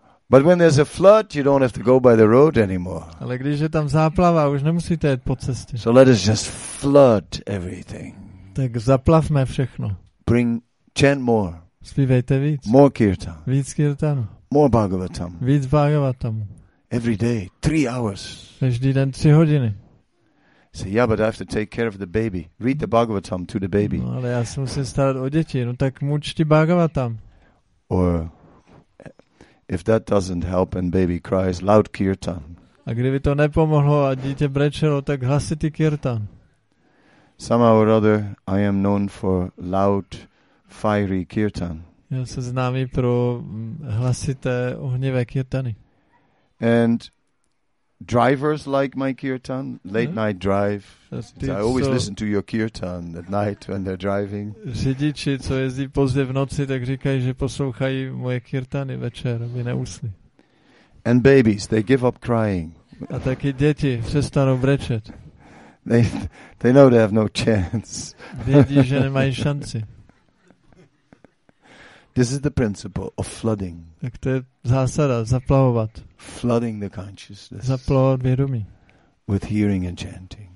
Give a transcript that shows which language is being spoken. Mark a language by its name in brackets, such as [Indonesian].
[English] But when there's a flood, you don't have to go by the road anymore. [Czech] Ale když je tam záplava, už nemusíte jít po cestě. [English] So let us just flood everything. [Czech] Tak zaplavme všechno. [English] Bring chant more. [Czech] Zpívejte víc. [English] More kirtan. [Czech] Víc kirtanu. [English] More bhagavatam. [Czech] Víc bhagavatamu. [English] Every day, 3 hours. [Czech] Každý den 3 hodiny. [English] Say, yeah, but I have to take care of the baby. Read the Bhagavatam to the baby. [Czech] No, ale já se musím starat o děti. No tak mu čti Bhagavatam. [English] Or, if that doesn't help and baby cries, loud kirtan. [Czech] A kdyby to nepomohlo a dítě brečelo, tak hlasitý kirtan. [English] Somehow or other, I am known for loud, fiery kirtan. [Czech] Já se známý pro hlasité, ohnivé kirtany. [English] And drivers like my kirtan, late night drive. I always listen to your kirtan at night when they're driving. [Czech] Řidiči, co jezdí pozdě v noci, tak říkají, že poslouchají moje kirtany večer, aby neusli. [English] And babies, they give up crying. [Czech] A taky děti přestanou brečet. [English] They know they have no chance. [Czech] Vědí, že nemají šanci. [English] This is the principle of flooding. [Czech] Tak to je zásada, zaplavovat. [English] Flooding the consciousness. [Czech] Zaplavovat vědomí. [English] With hearing and chanting.